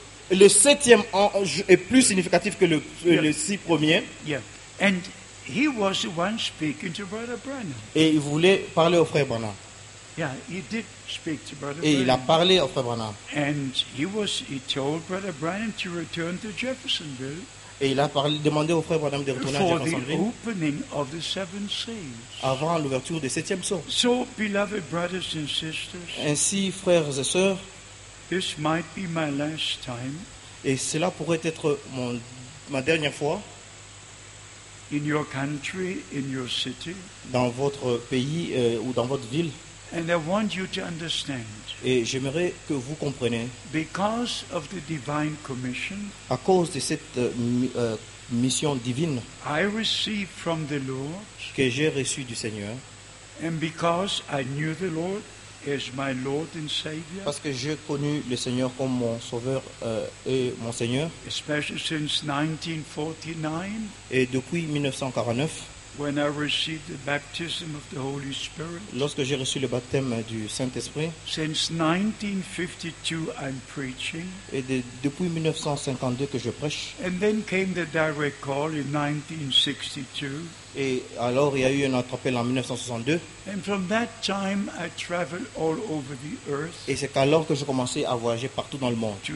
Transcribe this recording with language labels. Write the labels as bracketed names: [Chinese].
[French] Le septième ange est plus significatif que le six premiers. [English] Yeah. And he was the one speaking to Brother Branham. [French] Et il voulait parler au frère Branham. [English] Yeah, he did speak to Brother [French] Branham. Et il a parlé au frère Branham. [English] And he told Brother Branham to return to Jeffersonville. [French] Et il a demandé au frère Branham de retourner à Jeffersonville. [English] For the opening of the seven seals. [French] Avant l'ouverture des septièmes sceaux. [English] So, beloved brothers and sisters. [French] Ainsi, frères et sœurs. [English] This might be my last time. [French] Et cela pourrait être ma dernière fois. [English] In your country, in your city. [French] Dans votre pays ou dans votre ville. [English] And I want you to understand. [French] Et j'aimerais que vous compreniez. [English] Because of the divine commission. [French] À cause de cette mission divine. [English] I received from the Lord. [French] Que j'ai reçu du Seigneur. [English] And because I knew the Lord. As my Lord and Savior. [French] Parce que j'ai connu le Seigneur comme mon Sauveur et mon Seigneur. [English] Especially since 1949. [French] Et depuis 1949. [English] When I received the baptism of the Holy Spirit. [French] Lorsque j'ai reçu le baptême du Saint-Esprit. [English] Since 1952 I'm preaching. [French] Et depuis 1952 que je prêche. [English] And then came the direct call in 1962. [French] Et alors il y a eu un appel en 1962. Et c'est alors que je commençais à voyager partout dans le monde.